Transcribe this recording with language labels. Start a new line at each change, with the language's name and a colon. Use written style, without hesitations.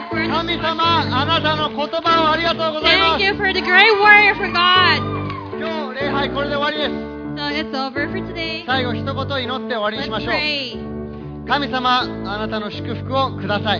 Japanese: 神様、あなたの言葉をありがとうございます。
English: Thank you for the great word of God.
Japanese: 今日礼拝これで終わりです。
English: So it's over for today.
Japanese: 最後一言祈って終わりにしましょう。
English: Let's pray.
Japanese: 神様、あなたの祝福をください。